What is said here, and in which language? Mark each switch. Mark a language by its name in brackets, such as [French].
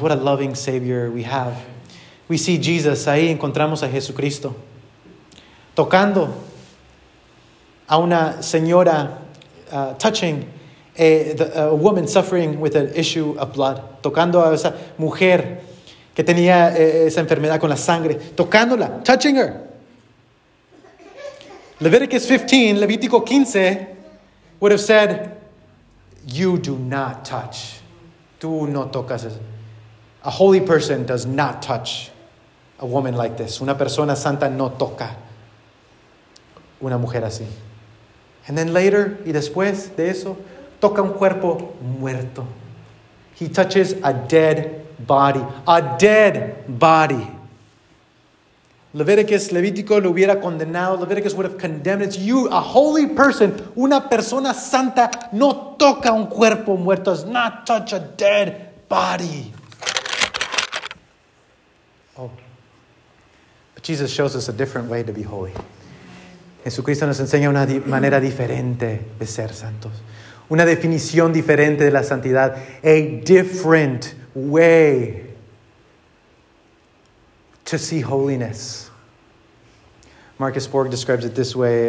[English] What a loving Savior we have. We see Jesus, [Spanish] ahí encontramos a Jesucristo, tocando a una señora, [English] touching a woman suffering with an issue of blood, [Spanish] tocando a esa mujer que tenía esa enfermedad con la sangre, tocándola, [English] touching her. Leviticus 15, Levítico 15, would have said, you do not touch. [Spanish] Tú no tocas. [English] A holy person does not touch a woman like this. [Spanish] Una persona santa no toca una mujer así. [English] And then later, [Spanish] y después de eso, toca un cuerpo muerto. [English] He touches a dead body. A dead body. Leviticus, [Spanish] Levítico lo hubiera condenado. [English] Leviticus would have condemned it. You, a holy person, [Spanish] una persona santa, no toca un cuerpo muerto. [English] Does not touch a dead body. Oh. But Jesus shows us a different way to be holy. [Spanish] Jesucristo nos enseña una manera diferente de ser santos. Una definición diferente de la santidad. [English] A different way to see holiness. Marcus Borg describes it this way.